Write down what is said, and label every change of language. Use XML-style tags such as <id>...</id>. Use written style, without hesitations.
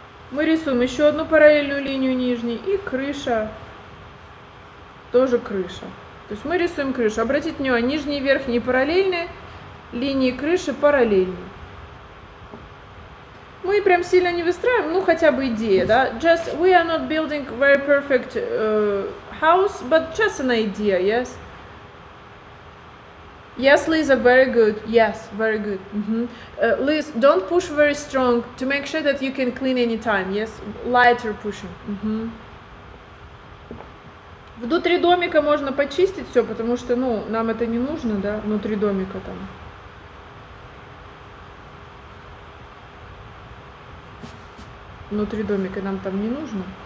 <ru>Мы рисуем еще одну параллельную линию нижней, и крыша, тоже крыша. То есть мы рисуем крышу. Обратите внимание, нижние и верхние параллельные, линии крыши параллельны. Мы прям сильно не выстраиваем, ну хотя бы идея, да?</ru> <en>Just we are not building very perfect house, but just an idea, yes? Yes, Lisa, very good. Yes, very good. Mm-hmm. Liz, don't push very strong to make sure that you can clean any time. Yes, lighter pushing. Mm-hmm.</en> <ru>Внутри домика можно почистить все, потому что, ну, нам это не нужно, да, внутри домика там. Внутри домика нам там не нужно.</ru>